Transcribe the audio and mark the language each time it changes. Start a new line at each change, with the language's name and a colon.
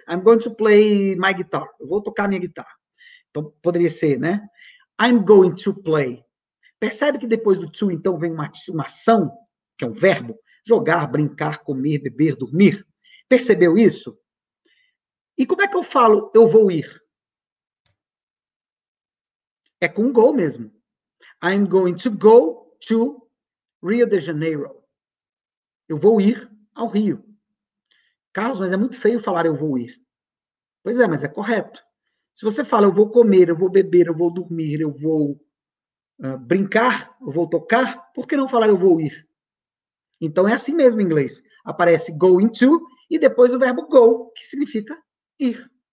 English: I'm going to play my guitar.
Portuguese: Eu vou tocar minha guitarra. Então, poderia ser, né?
English: I'm going to play.
Portuguese: Percebe que depois do to, então, vem uma ação, que é um verbo. Jogar, brincar, comer, beber, dormir. Percebeu isso? E como é que eu falo eu vou ir? É com go mesmo.
English: I'm going to go to Rio de Janeiro.
Portuguese: Eu vou ir ao Rio. Carlos, mas é muito feio falar eu vou ir. Pois é, mas é correto. Se você fala eu vou comer, eu vou beber, eu vou dormir, eu vou brincar, eu vou tocar, por que não falar eu vou ir? Então é assim mesmo em inglês. Aparece going to e depois o verbo go, que significa ir.